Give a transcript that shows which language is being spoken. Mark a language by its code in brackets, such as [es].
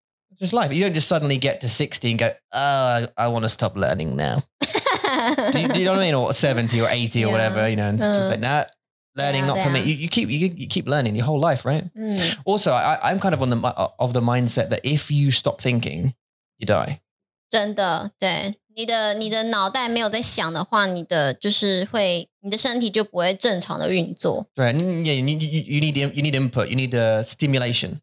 [en] It's just life. You don't just suddenly get to 60 and go, I want to stop learning now. do you know what I mean? Or 70 or 80 or whatever, you know, and just like, nah, learning not for me. You keep learning your whole life, right? Also, I'm kind of on the of the mindset that if you stop thinking, you die. [zh] 真的,对。你的脑袋没有在想的话，你的就是会，你的身体就不会正常的运作。 [en] Right, you need input, you need a stimulation.